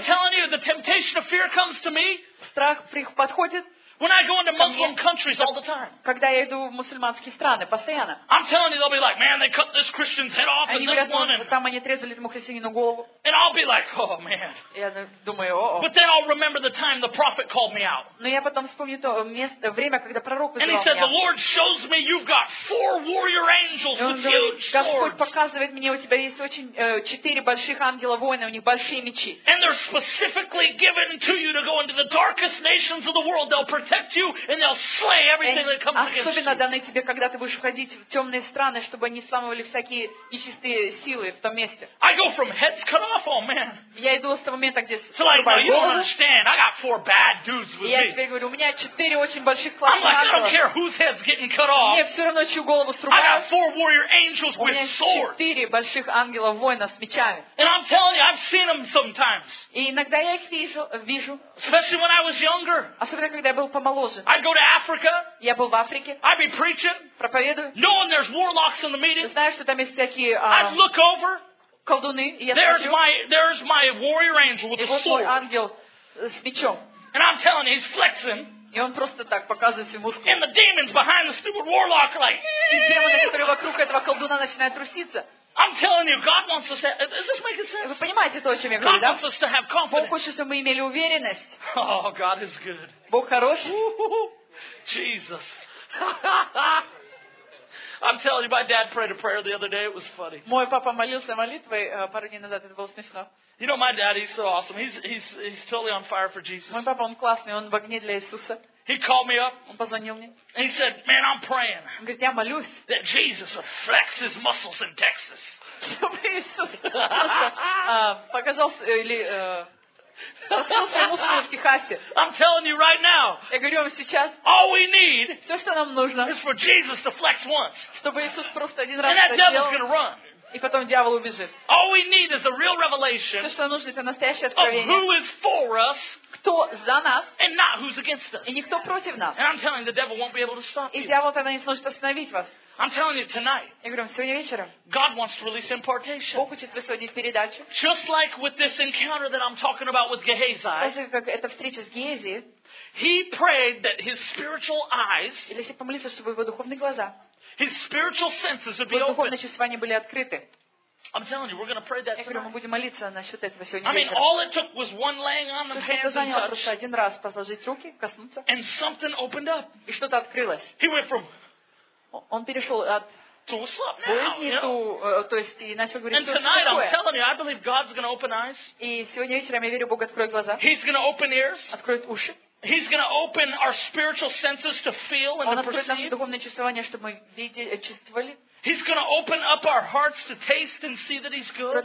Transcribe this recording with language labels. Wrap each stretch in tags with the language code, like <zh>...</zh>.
<en>I'm telling you, the temptation of fear comes to me.</en> <ru>Страх подходит.</ru> <en>When I go into Muslim countries all the time.</en> <ru>Когда я иду в мусульманские страны постоянно.</ru> <en>I'm telling you, they'll be like, "Man, they cut this Christian's head off and this one."</en> <ru>Там они отрезали этому христианину голову.</ru> <en>And I'll be like, "Oh man."</en> <ru>Я думаю, о-о.</ru> <en>But then I'll remember the time the prophet called me out.</en> <ru>Но я потом вспомню то место, время, когда пророк вызвал меня.</ru> <en>And he said, "The Lord shows me you've got four warrior angels with huge swords."</en> <ru>Господь показывает мне, у тебя есть очень четыре больших ангела воина, у них большие мечи.</ru> <en>And they're specifically given to you to go into the darkest nations of the world. They'll protect you and they'll slay everything that comes against you.</en> <ru>Особенно даны тебе, когда ты будешь ходить в темные страны, чтобы они сламывали всякие нечистые силы в том месте.</ru> <en>I go from heads cut off, oh man.</en> <ru>Я иду с того момента, где</ru> <en>so like, no, you don't understand. I got four bad dudes with me.</en> <ru>Я теперь говорю, у меня четыре очень больших классных ангела.</ru> <en>I'm like, I don't care whose head's getting cut off.</en> <ru>Мне все равно, чью голову срубают.</ru> <en>I got four warrior angels with swords.</en> <ru>У меня четыре больших ангела воина с мечами.</ru> <en>And I'm telling you, I've seen them sometimes.</en> <ru>И иногда я их вижу.</ru> <en>Especially when I was younger.</en> <ru>Особенно когда я был помоложе.</ru> <en>I'd go to Africa.</en> <ru>Я был в Африке.</ru> <en>I'd be preaching.</en> <ru>Проповедую.</ru> <en>Knowing there's warlocks in the meeting.</en> <ru>Знаешь, что там есть всякие.</ru> <en>I'd look over.</en> <ru>Колдуны.</ru> <en>There's my warrior angel with a sword.</en> <ru>И вот мой ангел с мечом.</ru> <en>And I'm telling you, he's flexing.</en> <ru>И он просто так показывает свои мускулы.</ru> <en>And the demons behind the stupid warlock are like.</en> <ru>И демоны, которые вокруг этого колдуна, начинают труситься.</ru> <en>I'm telling you, God wants us to. Does this make sense?</en> <ru>Вы понимаете то, о чем я говорю, да?</ru> <en>God wants us to have confidence.</en> <ru>Бог хочет, чтобы мы имели уверенность.</ru> <en>Oh, God is good.</en> <ru>Бог хорош.</ru> <en>Jesus. I'm telling you, my dad prayed a prayer the other day. It was funny.</en> <ru>Мой папа молился молитвой пару дней назад. Это было смешно.</ru> <en>You know, my dad, he's so awesome. He's totally on fire for Jesus.</en> <ru>Мой папа, он классный. Он в огне для Иисуса.</ru> <en>He called me up.</en> <ru>Он позвонил мне.</ru> <en>And he said, "Man, I'm praying."</en> <ru>Он говорит, я молюсь.</ru> <en>That Jesus would flex his muscles in Texas.</en> <ru>Чтобы Иисус показал или раскрыл свои мускулы в Техасе.</ru> <en>I'm telling you right now.</en> <ru>Я говорю вам сейчас.</ru> <en>All we need.</en> <ru>Все, что нам нужно.</ru> <en>Is for Jesus to flex once.</en> <ru>Чтобы Иисус просто один раз.</ru> <en>And that devil's gonna run.</en> <ru>И потом дьявол убежит.</ru> <en>All we need is a real revelation.</en> <ru>Все, что нам нужно, это настоящее откровение.</ru> <en>Of who is for us.</en> <ru>Кто за нас?</ru> <en>and not who's against us.</en> <ru>И никто против нас.</ru> <en>And I'm telling you, the devil won't be able to stop you.</en> <ru>И дьявол тогда не сможет остановить вас.</ru> <en>I'm telling you tonight.</en> <ru>Я говорю, сегодня вечером.</ru> <en>God wants to release impartation.</en> <ru>Бог хочет высвободить передачу.</ru> <en>Just like with this encounter that I'm talking about with Gehazi.</en> <ru>Даже как эта встреча с Гехази.</ru> <en>He prayed that his spiritual eyes.</en> <ru>Или если помолиться, чтобы его духовные глаза.</ru> <en>His spiritual senses would be open.</en> <ru>Духовные чувства были открыты.</ru> <en>I'm telling you, we're going to pray that.</en> <ru>Я говорю, мы будем молиться насчет этого сегодня.</ru> <en>I mean, all it took was one laying on of hands.</en> <ru>Все, что просто один раз положить руки, коснуться.</ru> <en>And something opened up.</en> <ru>И что-то открылось.</ru> <en>He went from.</en> <ru>Он перешел от.</ru> <en>To a slap now.</en> <ru>Ту, то есть и начал говорить.</ru> <en>And tonight, I'm telling you, I believe God's going to open eyes.</en> <ru>И сегодня вечером я верю, Бог откроет глаза.</ru> <en>He's going to open ears.</en> <ru>Откроет уши.</ru> <en>He's going to open our spiritual senses to feel and to perceive.</en> <ru>Он откроет наши духовные чувствования, чтобы мы видели, чувствовали.</ru> <en>He's going to open up our hearts to taste and see that He's good.</en>